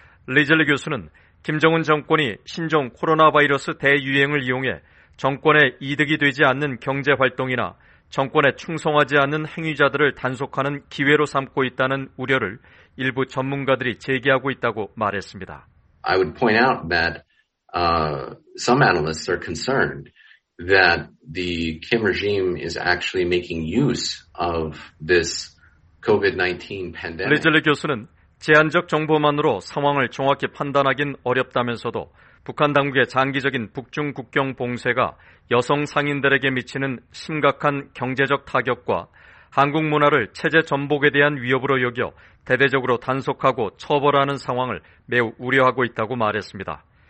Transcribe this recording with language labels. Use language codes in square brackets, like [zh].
[ko] 리즐리 교수는 김정은 정권이 신종 코로나 바이러스 대유행을 이용해 정권에 이득이 되지 않는 경제 활동이나 정권에 충성하지 않는 행위자들을 단속하는 기회로 삼고 있다는 우려를 일부 전문가들이 제기하고 있다고 말했습니다. [en] I would point out that some analysts are concerned that the Kim regime is actually making use of this COVID-19 pandemic. [ko] 리즐리 교수는 제한적 정보만으로 상황을 정확히 판단하긴 어렵다면서도 북한 당국의 장기적인 북중 국경 봉쇄가 여성 상인들에게 미치는 심각한 경제적 타격과 한국 문화를 체제 전복에 대한 위협으로 여겨 대대적으로 단속하고 처벌하는 상황을 매우 우려하고 있다고 말했습니다.